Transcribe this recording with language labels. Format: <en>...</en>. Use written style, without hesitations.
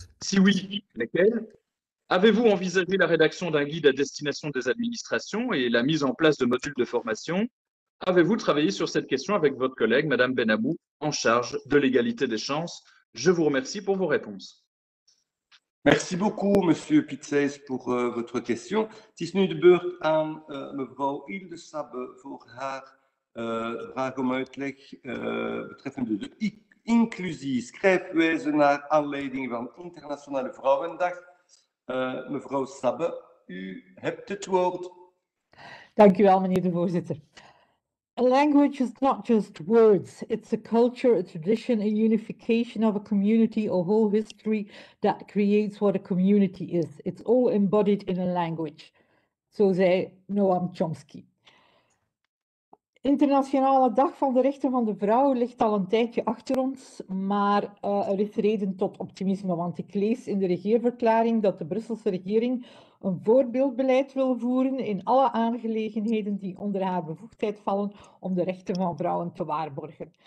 <fr>Si oui, lesquelles? Avez-vous envisagé la rédaction d'un guide à destination des administrations et la mise en place de modules de formation? Avez-vous travaillé sur cette question avec votre collègue, Madame Benamou, en charge de l'égalité des chances? Je vous remercie pour vos réponses. Merci beaucoup, Monsieur Pitsès, pour votre question.</fr> <nl>Het is nu de beurt aan mevrouw Ilde Sabbe voor haar vraag om uitleg betreffende de inclusie schrijfwijze naar aanleiding van Internationale Vrouwendag. Mevrouw Sabbe, u hebt het woord. Dank u wel, meneer de voorzitter.</nl> <en>A language is not just words, it's a culture, a tradition, a unification of a community or whole history that creates what a community is. It's all embodied in a language.</en> <nl>Zo zei Noam Chomsky. Internationale Dag van de Rechten van de Vrouw ligt al een tijdje achter ons, maar er is reden tot optimisme, want ik lees in de regeerverklaring dat de Brusselse regering een voorbeeldbeleid wil voeren in alle aangelegenheden die onder haar bevoegdheid vallen om de rechten van vrouwen te waarborgen.</nl>